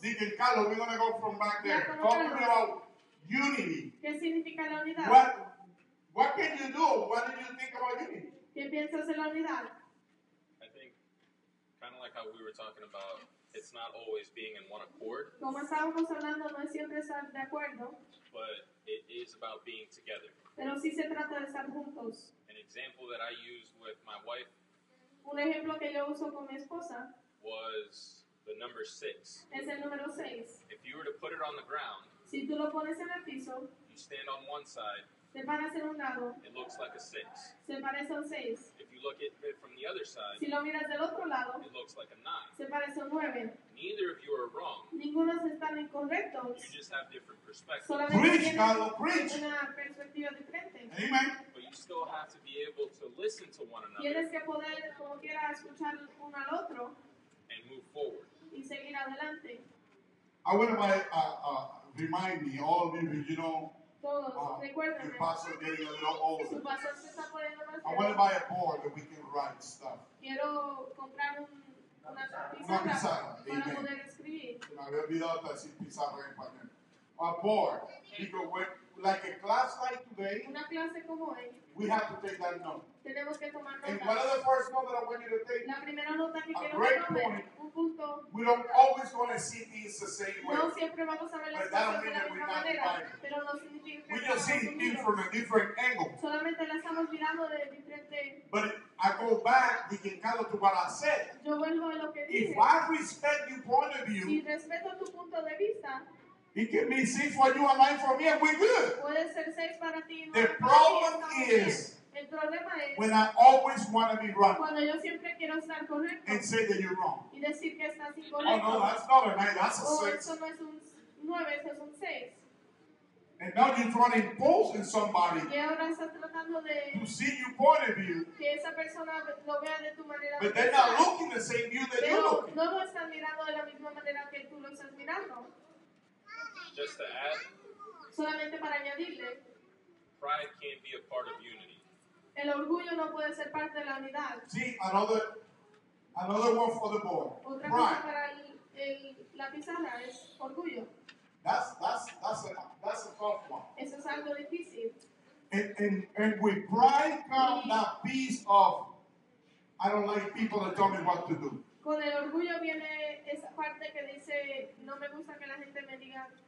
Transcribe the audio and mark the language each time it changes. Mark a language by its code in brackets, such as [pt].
[es] Dije, [en] Carlos, we're going to go from back there. Ya, talk me about unity. [es] ¿Qué significa la unidad? [en] What can you do? What do you think about unity? [es] ¿Qué piensas de la unidad? [en] I think, kind of like how we were talking about, it's not always being in one accord. [es] Como estábamos hablando, no es siempre estar de acuerdo. [en] But it is about being together. [es] Pero sí se trata de estar juntos. [en] An example that I used with my wife. [es] Un ejemplo que yo uso con mi esposa. [en] Was the number 6. [es] Es el número 6. [en] If you were to put it on the ground. [es] Si tú lo pones en el piso. [en] You stand on one side. [es] Te paras en un lado. [en] It looks like a 6. [es] Se parece a un 6. [en] If you look at it from the other side. [es] Si lo miras del otro lado. [en] It looks like a 9. [es] Se parece a un 9. [en] Neither of you are wrong. [es] Ninguno está incorrecto. [en] You just have different perspectives. Preach, Carlos, preach. Amen. But you still have to be able to listen to one another. [es] Tienes que poder, como quiera, escuchar uno al otro. [en] And move forward. [es] Y seguir adelante. [en] I want to remind me, all of you, you know, the pastor getting a little older. [es] Su pastor se está poniendo más [en] grande. I want to buy a board that we can write stuff. [es] Quiero comprar una pizarra para Amen. Poder escribir. Me había olvidado decir pizarra en español. [en] A board. [es] Amen. Like a class like today. Una clase como hoy. [en] We have to take that note. [es] Tenemos que tomar nota. [en] And what are the first note that I want you to take? [es] La primera nota que a quiero tomar. Un punto. [en] We don't always want to see things the same way. [es] No siempre vamos a ver las cosas de la misma manera. Pero no significa [en] we just see things from a different angle. [es] Solamente la estamos mirando de diferente. [en] But I go back, dedicado to what I said. [es] Yo vuelvo a lo que [en] if [es] dije. [en] If I respect your point of view. [es] Si respeto tu punto de vista. [en] It can be 6 for you and 9 for me, and we're good. [es] Puede ser 6 para ti, no [en] the problem is [es] el problema es [en] when I always want to be right [es] cuando yo siempre quiero estar correcto [en] and say that you're wrong. [es] Y decir que estás incorrecto. [en] Oh, no, that's not a 9, that's a 6. [es] Oh, eso no es un 9, eso es un 6. [en] And now you're trying to impose in somebody [es] y ahora estás tratando de [en] to see your point of view, [es] que esa persona lo vea de tu manera [en] but they're not looking the same view that you're looking. [es] No lo están mirando de la misma manera que tú lo estás mirando. [en] Just to add, [es] solamente para añadirle, [en] pride can't be a part of unity. [es] El orgullo no puede ser parte de la unidad. [en] See, another one for the board. [es] Otra [en] pride. [es] Cosa para la pizarra es orgullo. [en] That's a tough one. [es] Eso es algo difícil. [en] And with pride comes that piece of, I don't like people to tell me what to do. [es] Con el orgullo viene esa parte que dice, no me gusta que la gente me diga.